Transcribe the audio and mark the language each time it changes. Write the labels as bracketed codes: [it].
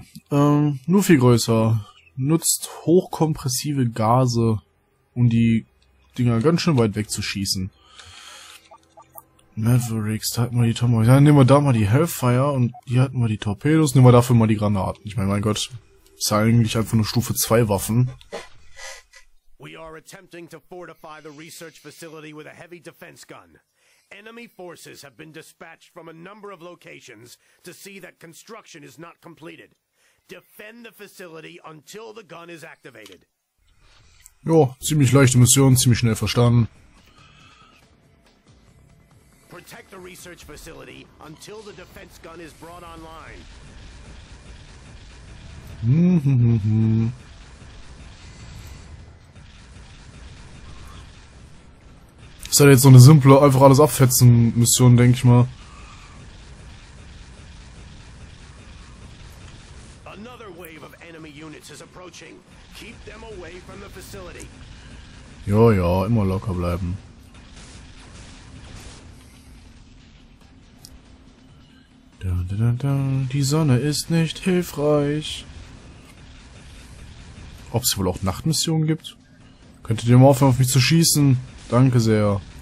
[de] Nur viel größer. Nutzt hochkompressive Gase, um die Dinger ganz schön weit wegzuschießen. Mavericks, da hatten wir die Torpedos. Ja, nehmen wir da mal die Hellfire und hier hatten wir die Torpedos. Nehmen wir dafür mal die Granaten. Ich meine, mein Gott, ist ja eigentlich einfach nur Stufe 2 Waffen. [en] We are attempting to fortify the research facility with a heavy defense gun. Enemy forces have been dispatched from a number of locations to see that construction is not completed. Defend the facility until the gun is activated. [de] Jo, ziemlich leichte Mission, ziemlich schnell verstanden. [en] Protect the research facility until the defense gun is brought online. [de] Das ist halt jetzt so eine simple, einfach alles abfetzen Mission, denke ich mal. [en] Another wave of enemy units is approaching. Keep them away from the facility. [de] Ja, ja, immer locker bleiben. Dun, dun, dun, dun. Die Sonne ist nicht hilfreich. Ob es wohl auch Nachtmissionen gibt? Könntet ihr mal aufhören, auf mich zu schießen? Danke sehr.